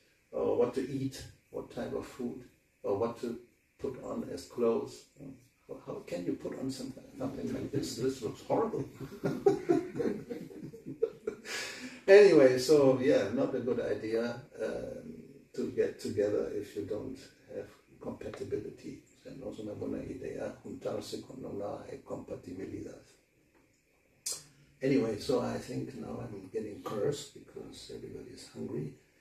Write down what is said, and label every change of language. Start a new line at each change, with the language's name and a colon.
English: Or what to eat, what type of food, or what to put on as clothes. How can you put on something like this? This looks horrible. Anyway, so yeah, not a good idea to get together if you don't have compatibility.
Spanish: No es una buena idea juntarse cuando no hay compatibilidad.
English: Anyway, so I think now I'm getting cursed because everybody is hungry.